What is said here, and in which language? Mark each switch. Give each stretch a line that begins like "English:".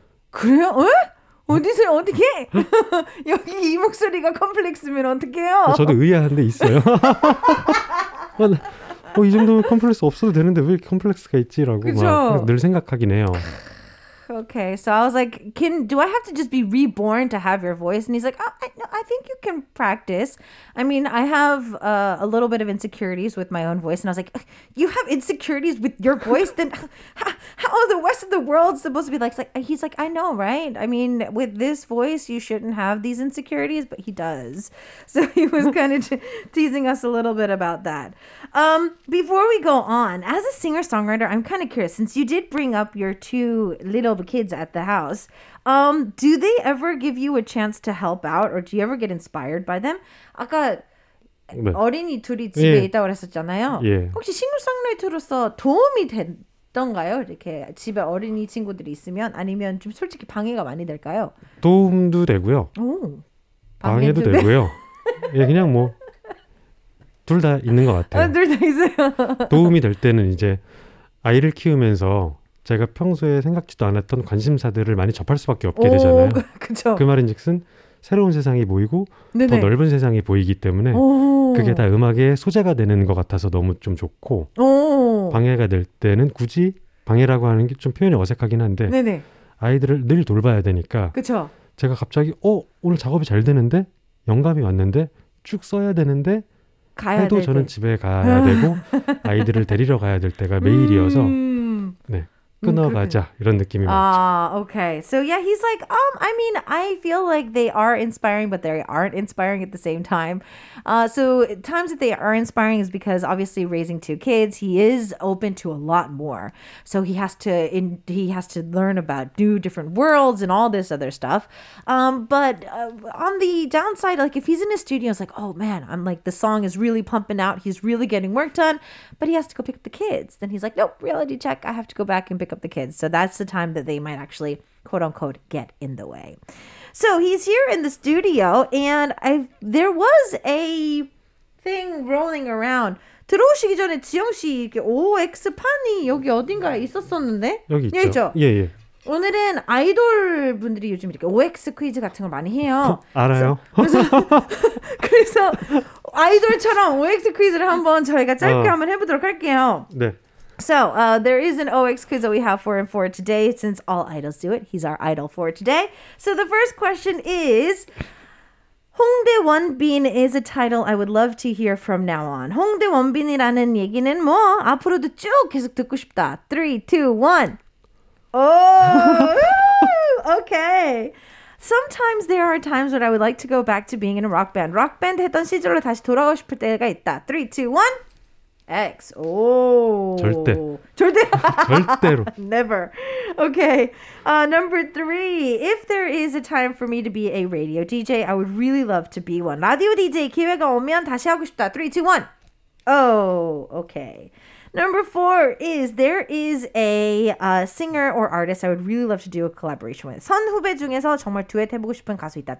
Korean: 그래요? 에? 어디서 어떻게 여기 이 목소리가 컴플렉스면 어떡해요? 저도 의아한데 있어요. 어, 이 정도면 컴플렉스 없어도 되는데 왜 컴플렉스가 있지라고 늘 생각하긴 해요.
English: Okay, so I was like, do I have to just be reborn to have your voice? And he's like, oh, I think you can practice. I mean, I have a little bit of insecurities with my own voice. And I was like, you have insecurities with your voice? Then how the rest of the world supposed to be like? He's like, I know, right? I mean, with this voice, you shouldn't have these insecurities, but he does. So he was kind of teasing us a little bit about that. Before we go on, as a singer-songwriter, I'm kind of curious, since you did bring up your two little kids at the house, do they ever give you a chance to help out, or do you ever get inspired by them?
Korean: 아까 네. 어린이 둘이 집에 예. 있다고 했었잖아요. 예. 혹시 싱어송라이터로서 도움이 됐던가요? 이렇게 집에 어린이 친구들이 있으면 아니면 좀 솔직히 방해가 많이 될까요? 도움도 되고요. 오, 방해도 되고요. 예, 그냥 뭐 둘 다 있는 것 같아요. 아, 둘 다 있어요. 도움이 될 때는 이제 아이를 키우면서. 제가 평소에 생각지도 않았던 관심사들을 많이 접할 수밖에 없게 오, 되잖아요. 그쵸. 그 말인즉슨 새로운 세상이 보이고 네네. 더 넓은 세상이 보이기 때문에 오. 그게 다 음악의 소재가 되는 것 같아서 너무 좀 좋고 오. 방해가 될 때는 굳이 방해라고 하는 게 좀 표현이 어색하긴 한데 네네. 아이들을 늘 돌봐야 되니까 그쵸. 제가 갑자기 오늘 작업이 잘 되는데 영감이 왔는데 쭉 써야 되는데 가야 해도 저는 때. 집에 가야 되고 아이들을 데리러 가야 될 때가 매일이어서 네. 끊어가자 이런 느낌이 왔죠. Okay.
English: So yeah, he's like, I mean, I feel like they are inspiring, but they aren't inspiring at the same time. So times that they are inspiring is because obviously raising two kids, he is open to a lot more. So he has to learn about new different worlds and all this other stuff. But on the downside, like if he's in his studio, it's like, oh man, I'm like the song is really pumping out. He's really getting work done, but he has to go pick up the kids. Then he's like, nope, reality check. I have to go back and pick up the kids. So that's the time that they might actually quote unquote get in the way. So he's here in the studio and there was a thing rolling around.
Korean: 들어오시기 전에 지영 씨 이렇게 OX판이 여기 어딘가에 있었었는데 여기 있죠. 예, 예. 오늘은 아이돌 분들이 요즘 이렇게 OX 퀴즈 같은 걸 많이 해요. 알아요. 그래서 아이돌처럼 OX 퀴즈를 한번 저희가 짧게 한번 해보도록 할게요. 네.
English: So there is an OX quiz that we have for him for today. Since all idols do it, he's our idol for today. So the first question is, 홍대 원빈 is a title I would love to hear from now on.
Korean: 홍대 원빈이라는 얘기는 뭐 앞으로도 쭉 계속 듣고 싶다.
English: 3, 2, 1. Okay. Sometimes there are times when I would like to go back to being in a rock band.
Korean: Rock band 했던 시절로 다시 돌아가고 싶을 때가 있다. 3, 2, 1. X.
English: Oh.
Korean: 절대. 절대. 절대로.
English: Never. Okay. Number three. If there is a time for me to be a radio DJ, I would really love to be one.
Korean: 라디오 DJ 기회가 오면 다시 하고 싶다.
English: 3, 2, 1. Oh, okay. Number four is there is a singer or artist I would really love to do a collaboration with.
Korean: 선 후배 중에서 정말 듀엣 해보고 싶은 가수 있다.